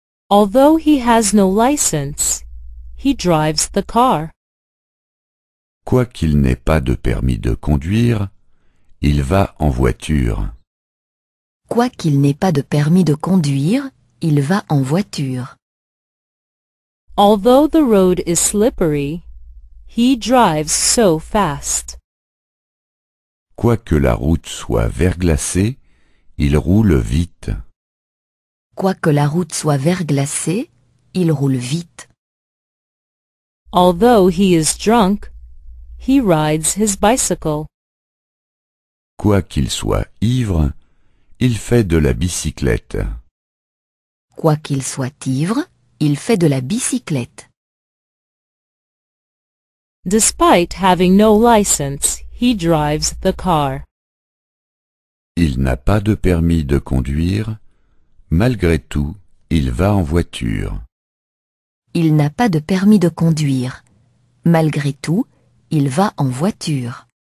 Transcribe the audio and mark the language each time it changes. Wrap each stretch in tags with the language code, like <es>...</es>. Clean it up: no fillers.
<en>Although he has no license, he drives the car.</en> <fr>Quoiqu'il n'ait pas de permis de conduire, il va en voiture. Quoiqu'il n'ait pas de permis de conduire, il va en voiture.</fr> <en>Although the road is slippery, he drives so fast.</en> <fr>Quoique la route soit verglacée, il roule vite. Quoique la route soit verglacée, il roule vite.</fr> <en>Although he is drunk, he rides his bicycle.</en> <fr>Quoiqu'il soit ivre, il fait de la bicyclette. Quoiqu'il soit ivre, il fait de la bicyclette.</fr> <en>Despite having no license, he drives the car.</en> <fr>Il n'a pas de permis de conduire. Malgré tout, il va en voiture. Il n'a pas de permis de conduire. Malgré tout, il va en voiture.</fr>